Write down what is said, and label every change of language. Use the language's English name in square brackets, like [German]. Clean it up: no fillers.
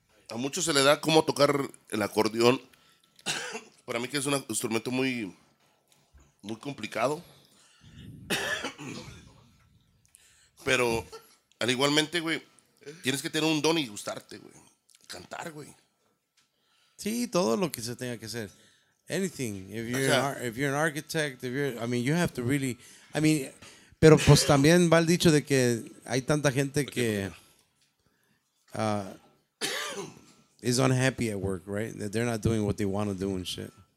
[Spanish] A muchos se le da cómo tocar el acordeón. Para mí que es un instrumento muy muy complicado. Pero, al igualmente, güey, tienes que tener un don y gustarte, güey. Cantar, güey. Sí, todo lo que se tenga que hacer. [English] Anything. If you're, o sea, if you're an architect, if you're, I mean, you have to really. I mean, [Spanish] pero pues también va el dicho de que hay tanta gente que [English] is unhappy at work, right? That they're not doing what they want to do and shit.